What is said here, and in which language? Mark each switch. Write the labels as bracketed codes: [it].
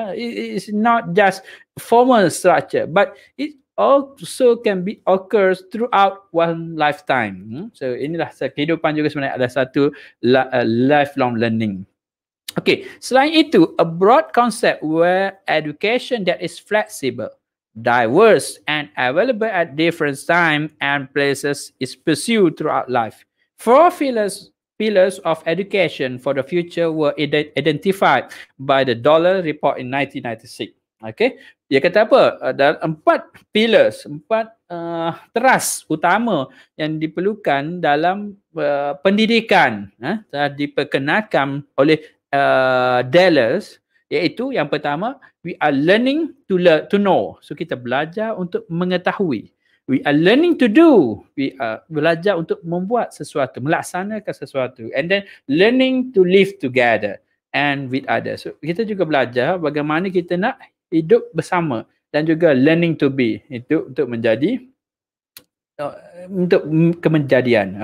[en] It's not just formal structure but it also can be occurs throughout one lifetime. [ms] So inilah kehidupan juga sebenarnya ada satu lifelong learning. [en] Okay, [ms] selain itu, [en] a broad concept where education that is flexible, diverse and available at different time and places is pursued throughout life. Four pillars of education for the future were identified by the Dollar Report in 1996. [ms] Okay. Dia kata apa? Ada empat pillars, empat teras utama yang diperlukan dalam pendidikan. Telah diperkenalkan oleh Dallas, iaitu yang pertama, [en] we are learning to learn to know. [ms] So kita belajar untuk mengetahui. [en] We are learning to do. We are [ms] belajar untuk membuat sesuatu, melaksanakan sesuatu. [en] And then learning to live together and with others. [ms] So, kita juga belajar bagaimana kita nak hidup bersama dan juga [en] learning to be. [ms] Itu untuk menjadi, untuk kemenjadian.